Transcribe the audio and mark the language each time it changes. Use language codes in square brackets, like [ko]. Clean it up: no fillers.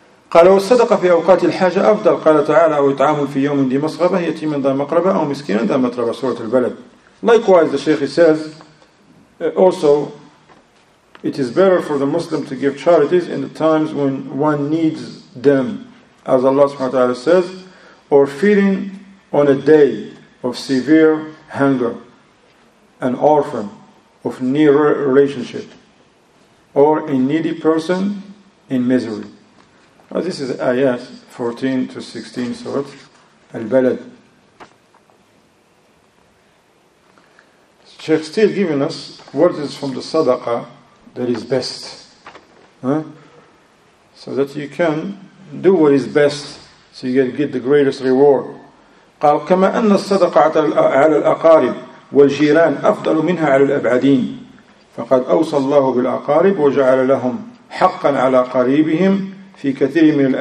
[ar] قال والصدقة في أوقات الحاجة أفضل قال تعالى أو إطعام في يوم ذي مسغبة يتيما ذا مقربة أو مسكينا ذا متربة سورة البلد. [en] Likewise, the Shaykh says, also, it is better for the Muslim to give charities in the times when one needs them, as Allah subhanahu wa ta'ala says, or feeding on a day of severe hunger, an orphan of near relationship, or a needy person in misery. Well, this is ayat 14 to 16, Surah Al-Balad. Sheikh still giving us what is from the sadaqah that is best. So that you can do what is best, so you can get the greatest reward. [ar] قال كما أن الصدقة على الأقارب والجيران أفضل منها على الأبعدين فقد أوصى الله بالأقارب وجعل لهم حقا على قريبهم في كثير